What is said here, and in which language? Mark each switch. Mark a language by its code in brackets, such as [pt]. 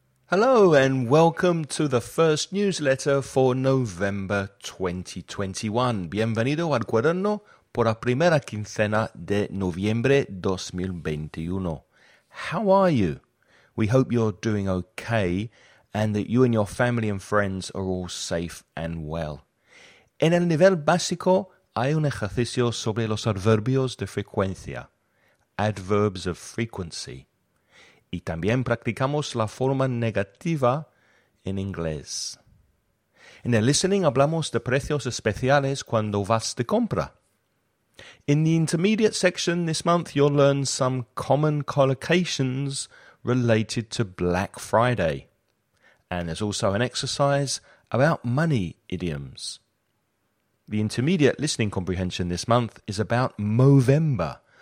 [en] Hello and welcome to the first newsletter for November 2021. [es] Bienvenido al cuaderno por la primera quincena de noviembre 2021. [en] How are you? We hope you're doing okay and that you and your family and friends are all safe and well. [es] En el nivel básico hay un ejercicio sobre los adverbios de frecuencia, [en] adverbs of frequency. [es] Y también practicamos la forma negativa en inglés. En el listening hablamos de precios especiales cuando vas de compra. [en] In the intermediate section this month, you'll learn some common collocations related to Black Friday. And there's also an exercise about money idioms. The intermediate listening comprehension this month is about Movember.